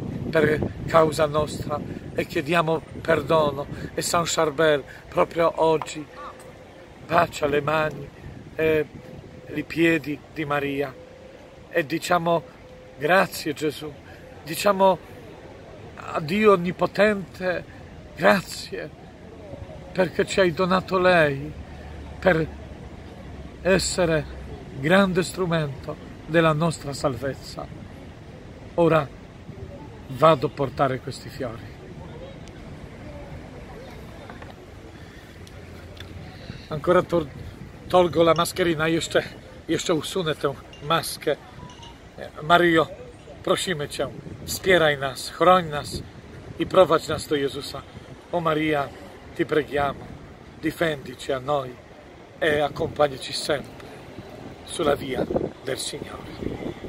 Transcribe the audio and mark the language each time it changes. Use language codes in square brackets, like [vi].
[it] per causa nostra e chiediamo perdono, e San Charbel proprio oggi bacia le mani e i piedi di Maria e diciamo grazie Gesù, diciamo a Dio Onnipotente grazie perché ci hai donato lei per essere grande strumento della nostra salvezza. Ora vado a portare questi fiori. Ancora tolgo la mascherina, [pl] jeszcze usunę tę maskę. Maryjo, prosimy Cię, wspieraj nas, chroń nas i prowadź nas do Jezusa. [it] O Maria, Ti preghiamo, difendici a noi e accompagnaci sempre sulla via del Signore.